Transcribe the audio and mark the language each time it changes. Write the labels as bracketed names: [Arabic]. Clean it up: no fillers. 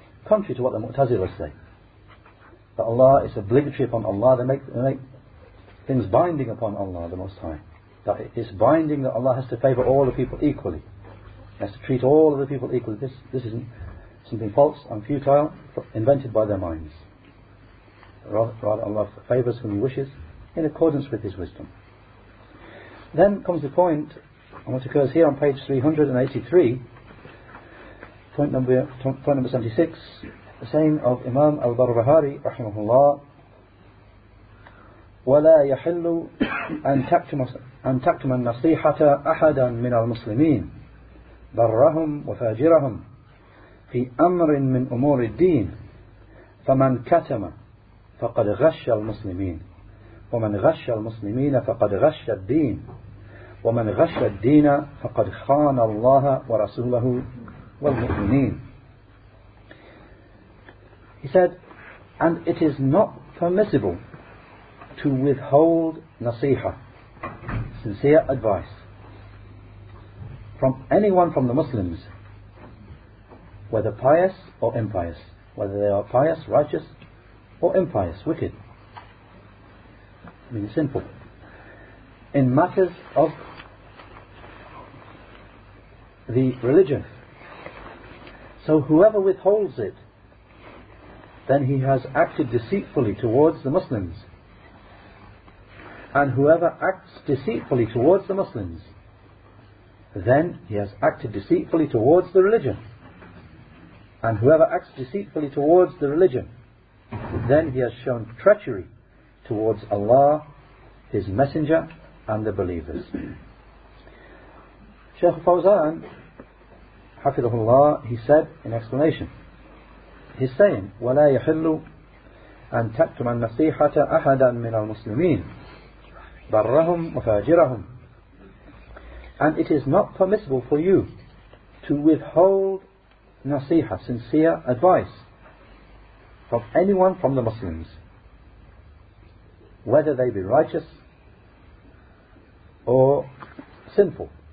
[English] Contrary to what the Mu'tazila say. That Allah, it's obligatory upon Allah, they make things binding upon Allah the Most High. That it's binding that Allah has to favour all the people equally. Has to treat all of the people equally. This isn't something false and futile, invented by their minds. Rather Allah favours whom He wishes in accordance with His wisdom. Then comes the point, and what occurs here on page 383, point number 76, the saying of Imam al-Barbahari, rahimahullah, [Arabic] وَلَا يَحِلُّ أَن تَكْتُمَ النَّصِيحَةَ أَحَدًا مِنَ الْمُسْلِمِينَ برهم وفاجرهم في أمر من أمور الدين فمن كتم فقد غش المسلمين ومن غش المسلمين فقد غش الدين ومن غش الدين فقد خان الله ورسوله والمؤمنين. [English] He said, and it is not permissible to withhold nasiha, sincere advice, from anyone from the Muslims, whether pious or impious, whether they are pious, righteous, or impious, wicked. I mean, simple. In matters of the religion. So whoever withholds it, then he has acted deceitfully towards the Muslims. And whoever acts deceitfully towards the Muslims, then he has acted deceitfully towards the religion. And whoever acts deceitfully towards the religion, then he has shown treachery towards Allah, His Messenger, and the believers. Shaykh Fawzan, hafidhullah, he said in explanation, he's saying, [Arabic] وَلَا يَحِلُّ أَن تَكْتُمَ النَّصِيحَةَ أَحَدًا مِنَ الْمُسْلِمِينَ بَرَّهُمْ وَفَاجِرَهُمْ. [English] And it is not permissible for you to withhold nasiha, sincere advice, from anyone from the Muslims, whether they be righteous or sinful.